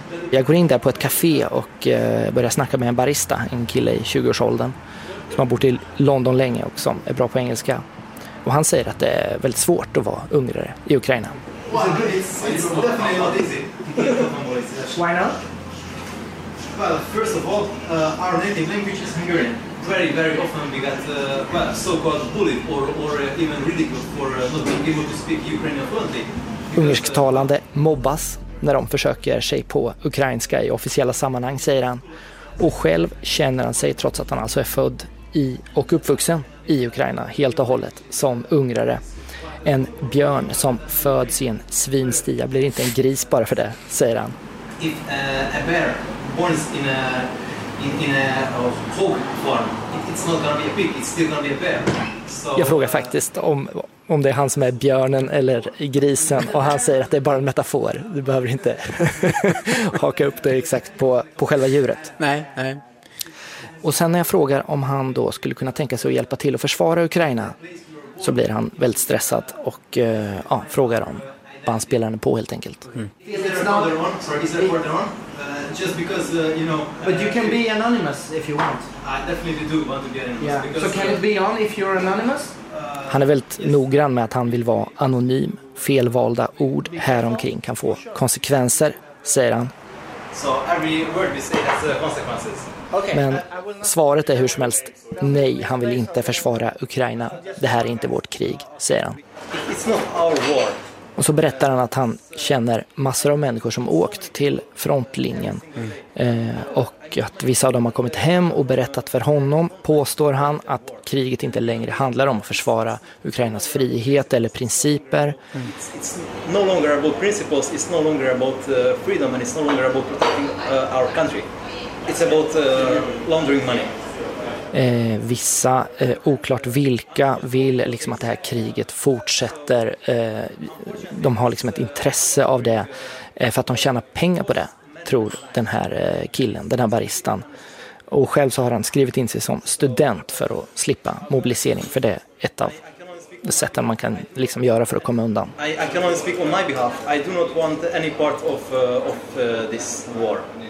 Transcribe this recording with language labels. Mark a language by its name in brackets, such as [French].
[Swedish] Jag går in där på ett café och börjar snacka med en barista, en kille i 20-årsåldern. Som har bott i London länge och som är bra på engelska. Och han säger att det är väldigt svårt att vara ungrare i Ukraina. [English] It's definitely not easy. Why not? Well, first of all, our native language is Hungarian. Very, very often we get so-called bullied or even ridiculed for not being able to speak Ukrainian fluently. [Swedish] Ungersktalande mobbas när de försöker sig på ukrainska i officiella sammanhang, säger han. Och själv känner han sig, trots att han alltså är född i och uppvuxen i Ukraina helt och hållet, som ungrare. En björn som föds i en svinstia blir inte en gris bara för det, säger han. [English] If a bear born in a hog form, it's not gonna be a pig, it's still gonna be a bear. So, [Swedish] jag frågar faktiskt om det är han som är björnen eller grisen, och han säger att det är bara en metafor. Du behöver inte haka upp det exakt på själva djuret. Nej, nej. Och sen när jag frågar om han då skulle kunna tänka sig att hjälpa till att försvara Ukraina, så blir han väldigt stressad och frågar om bandspelaren är på, helt enkelt. [English] Mm. Is there another one? Sorry, is there another one? Just because, you know... But you can be anonymous if you want. I definitely do want to be anonymous. Yeah. Because, so can it be on if you're anonymous? [Swedish] Han är väldigt noggrann med att han vill vara anonym. Felvalda ord häromkring kan få konsekvenser, säger han. [English] So every word we say has consequences. [Swedish] Men svaret är hur som helst nej, han vill inte försvara Ukraina. Det här är inte vårt krig, säger han. [English] It's not our war. [Swedish] Och så berättar han att han känner massor av människor som åkt till frontlinjen. Och att vissa av dem har kommit hem och berättat för honom, påstår han, att kriget inte längre handlar om att försvara Ukrainas frihet eller principer. [English] It's no longer about principles, it's no longer about freedom, and it's no longer about protecting our country. It's about laundering money. [Swedish] Vissa, oklart vilka, vill liksom att det här kriget fortsätter. De har liksom ett intresse av det för att de tjänar pengar på det, tror den här killen, den här baristan. Och själv så har han skrivit in sig som student för att slippa mobilisering, för det är ett av sätten man kan liksom göra för att komma undan. [English] I can only speak on my behalf. I do not want any part of this war.